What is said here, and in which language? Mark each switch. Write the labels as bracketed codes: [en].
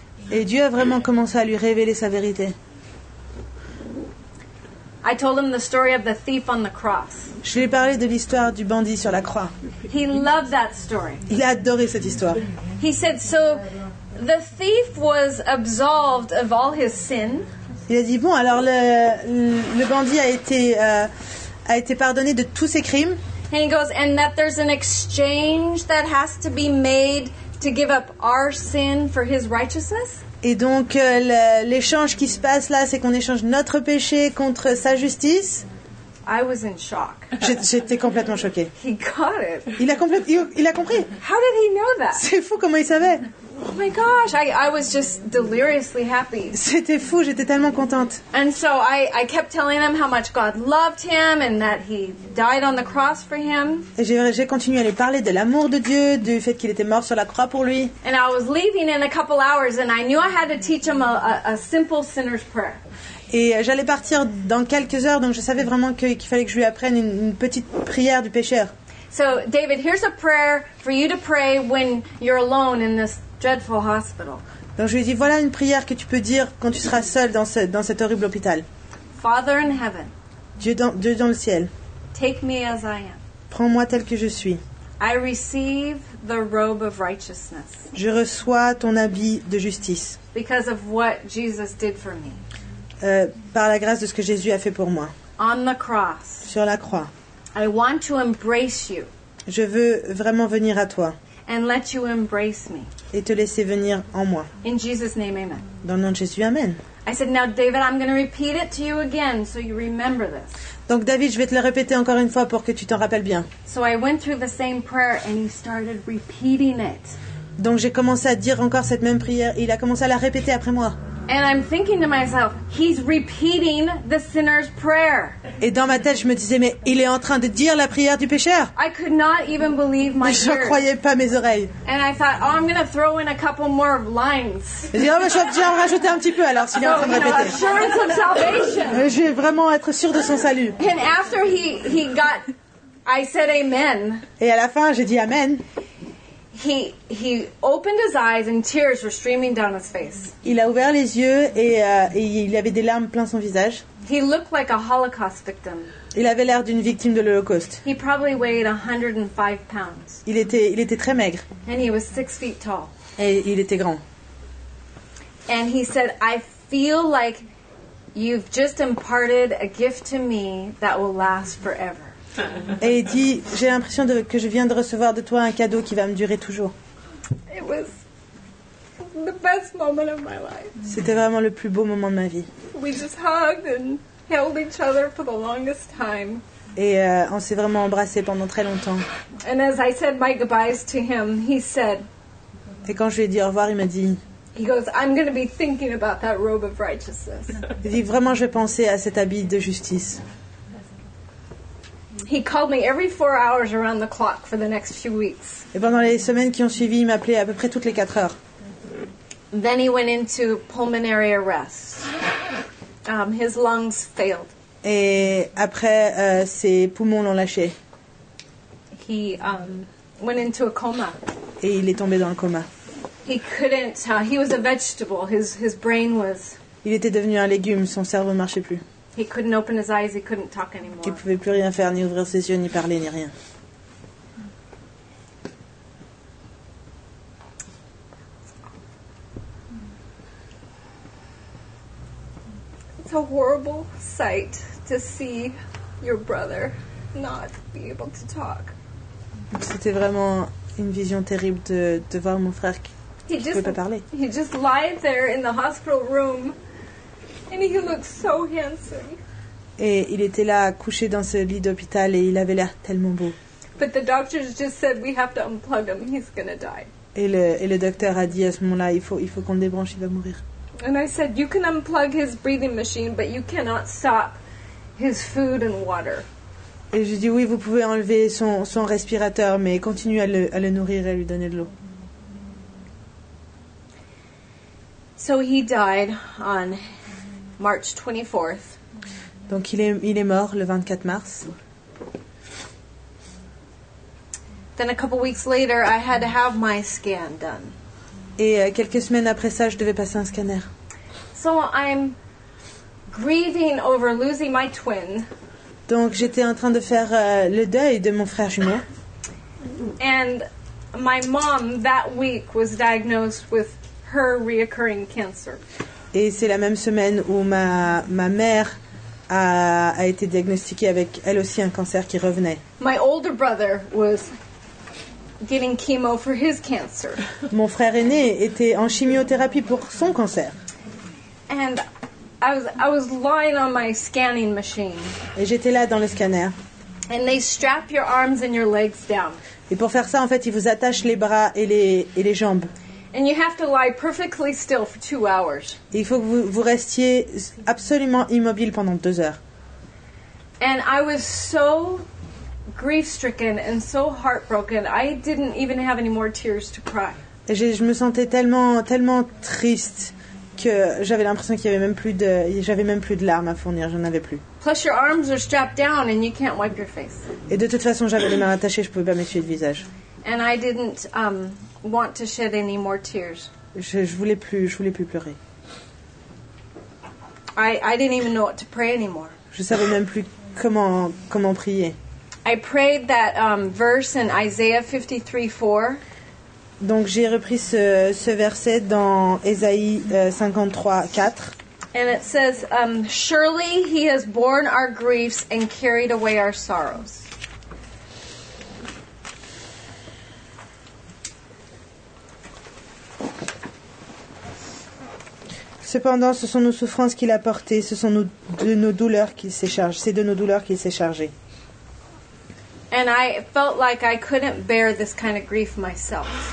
[fr] Et Dieu a vraiment commencé à lui révéler sa vérité. [en] I told him the story of the thief on the cross. [fr] Je lui ai parlé de l'histoire du bandit sur la croix. [en] He loved that story. [fr] Il a adoré cette histoire. [en] He said, so the thief was absolved of all his sin. [fr] Il a dit, bon, alors le bandit a été pardonné de tous ses crimes. [en] And he goes, and that there's an exchange that has to be made to give up our sin for his righteousness. [fr] Et donc l'échange qui se passe là, c'est qu'on échange notre péché contre sa justice. [en] I was in shock. [fr] J'étais complètement choquée. [en] He got it. [fr] Il a compris. [en] How did he know that? [fr] C'est fou comment il savait. [en] Oh my gosh, I was just deliriously happy. [fr] C'était fou, j'étais tellement contente. [en] And so I kept telling him how much God loved him and that he died on the cross for him. [fr] Et j'ai continué à lui parler de l'amour de Dieu, du fait qu'il était mort sur la croix pour lui. [en] And I was leaving in a couple hours and I knew I had to teach him a simple sinner's prayer. [fr] Et j'allais partir dans quelques heures, donc je savais vraiment qu'il fallait que je lui apprenne une petite prière du pécheur. [en] So David, here's a prayer for you to pray when you're alone in this dreadful hospital. [fr] Donc je lui dis, voilà une prière que tu peux dire quand tu seras seul dans cet horrible hôpital. [en] Father in heaven. [fr] Dieu dans le ciel. [en] Take me as I am. [fr] Prends-moi tel que je suis. [en] I receive the robe of righteousness. [fr] Je reçois ton habit de justice. [en] Because of what Jesus did for me. [fr] Par la grâce de ce que Jésus a fait pour moi. [en] On the cross. [fr] Sur la croix. [en] I want to embrace you. [fr] Je veux vraiment venir à toi. [en] And let you embrace me. [fr] Et te laisser venir en moi. [en] In Jesus' name, amen. [fr] Dans le nom de Jésus, amen. [en] I said, now David, I'm going to repeat it to you again so you remember this. [fr] Donc David, je vais te le répéter encore une fois pour que tu t'en rappelles bien. [en] So I went through the same prayer and he started repeating it. [fr] Donc j'ai commencé à dire encore cette même prière et il a commencé à la répéter après moi. [en] And I'm thinking to myself, he's repeating the sinner's prayer. [fr] Et dans ma tête, je me disais, mais il est en train de dire la prière du pécheur. [en] I could not even believe my ears. [fr] Je ne croyais pas mes oreilles. [en] And I thought, oh, I'm going to throw in a couple more lines. [fr] Je vais déjà en rajouter un petit peu alors s'il est en train de répéter. [en] Assurance of salvation. [fr] Je vais vraiment être sûr de son salut. [en] And after he got, I said amen. [fr] Et à la fin, j'ai dit amen. [en] He opened his eyes and tears were streaming down his face. [fr] Il a ouvert les yeux et il avait des larmes plein son visage. [en] He looked like a Holocaust victim. [fr] Il avait l'air d'une victime de l'Holocauste. [en] He probably weighed 105 pounds. [fr] Il était très maigre. [en] And he was 6 feet tall. [fr] Et il était grand. [en] And he said, "I feel like you've just imparted a gift to me that will last forever." [fr] Et il dit, j'ai l'impression que je viens de recevoir de toi un cadeau qui va me durer toujours. [en] It was the best moment of my life. [fr] C'était vraiment le plus beau moment de ma vie. [en] We just hugged and held each other for the longest time. [fr] Et on s'est vraiment embrassés pendant très longtemps. [en] And as I said my goodbyes to him, he said. [fr] Et quand je lui ai dit au revoir, il m'a dit. [en] He goes, I'm going to be thinking about that robe of righteousness. [fr] Il dit, vraiment, je vais penser à cet habit de justice. [en] He called me every 4 hours around the clock for the next few weeks. [fr] Et pendant les semaines qui ont suivi, il m'appelait à peu près toutes les 4 heures. [en] Then he went into pulmonary arrest. His lungs failed. [fr] Et après, ses poumons l'ont lâché. [en] He went into a coma. [fr] Et il est tombé dans le coma. [en] He couldn't. He was a vegetable. His brain was. [fr] Il était devenu un légume. Son cerveau ne marchait plus. [en] He couldn't open his eyes, he couldn't talk anymore. [fr] Il pouvait plus rien faire, ni ouvrir ses yeux, ni parler, ni rien. [en] It's a horrible sight to see your brother not be able to talk. [fr] C'était vraiment une vision terrible de voir mon frère qui ne pouvait pas parler. [en] He just lied there in the hospital room. And he looked so handsome. [fr] Et il était là couché dans ce lit d'hôpital et il avait l'air tellement beau. [en] But the doctors just said we have to unplug him. He's gonna die. [fr] Et le docteur a dit à ce moment-là, il faut qu'on débranche, il va mourir. [en] And I said, you can unplug his breathing machine, but you cannot stop his food and water. [fr] Et je dis oui, vous pouvez enlever son respirateur, mais continuez à le nourrir et à lui donner de l'eau. [en] So he died on March 24th. [fr] Donc il est mort le 24 mars. [en] Then a couple weeks later, I had to have my scan done. [fr] Et quelques semaines après ça, je devais passer un scanner. [en] So I'm grieving over losing my twin. [fr] Donc j'étais en train de faire le deuil de mon frère jumeau. [en] And my mom that week was diagnosed with her reoccurring cancer. [fr] Et c'est la même semaine où ma mère a été diagnostiquée avec elle aussi un cancer qui revenait. [en] My older brother was getting chemo for his cancer. [fr] Mon frère aîné était en chimiothérapie pour son cancer. [en] And I was lying on my scanning machine. [fr] Et j'étais là dans le scanner. [en] And they strap your arms and your legs down. [fr] Et pour faire ça, en fait, ils vous attachent les bras et les jambes. [en] And you have to lie perfectly still for 2 hours. [fr] Et il faut que vous, vous restiez absolument immobile pendant 2 heures. [en] And I was so grief-stricken and so heartbroken, I didn't even have any more tears to cry. [fr] Et je me sentais tellement, tellement triste que j'avais l'impression qu'il y avait même plus de, j'avais même plus de larmes à fournir, j'en avais plus. [en] Plus your arms are strapped down and you can't wipe your face. [fr] Et de toute façon, j'avais les mains attachées, je pouvais pas m'essuyer le visage. [en] And I didn't want to shed any more tears. [fr] Je voulais plus pleurer. [en] I didn't even know what to pray anymore. [fr] Je savais même plus comment prier. [en] I prayed that verse in Isaiah 53:4. [fr] Donc j'ai repris ce verset dans Ésaïe 53:4. [en] And it says, surely he has borne our griefs and carried away our sorrows. [fr] Cependant, ce sont nos souffrances qu'il a portées, ce sont nos douleurs qu'il s'est chargé. C'est de nos douleurs qu'il s'est chargé. [en] And I felt like I couldn't bear this kind of grief myself.